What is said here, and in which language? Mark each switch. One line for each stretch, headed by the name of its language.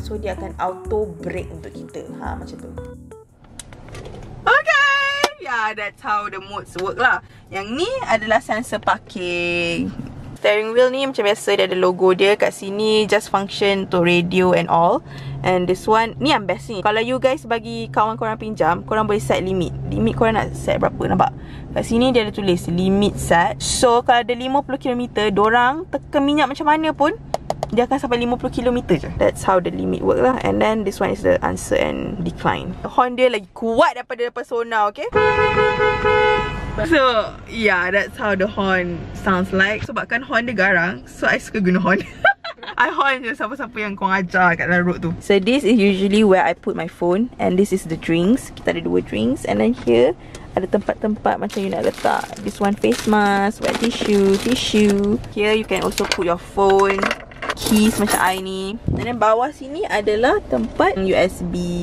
Malay: So dia akan auto brake untuk kita. Ha, macam tu.
English: Okay, yeah, that's how the modes work lah.
Malay: Yang ni adalah sensor parking. Steering wheel ni macam biasa, dia ada logo dia kat sini.
English: Just function to radio and all. And this one,
Malay: ni yang best ni. Kalau you guys bagi kawan korang pinjam, korang boleh set limit. Limit korang nak set berapa, nampak? Kat sini dia ada tulis limit set. So kalau ada 50 km, dorang tekan minyak macam mana pun, dia akan sampai 50 km je.
English: That's how the limit work lah. And then this one is the answer and decline. The horn
Malay: dia lagi kuat daripada
English: persona, okay? So yeah, that's how the horn sounds like.
Malay: Sebabkan horn dia garang, so I suka guna horn. I horn je siapa-siapa yang kau ajar kat dalam road tu.
English: So this is usually where I put my phone. And this is the drinks.
Malay: Kita ada dua drinks.
English: And then here
Malay: ada tempat-tempat macam you nak letak.
English: This one face mask, wet tissue, tissue. Here you can also put your phone.
Malay: keys macam I ni.
English: And then
Malay: bawah sini adalah tempat USB.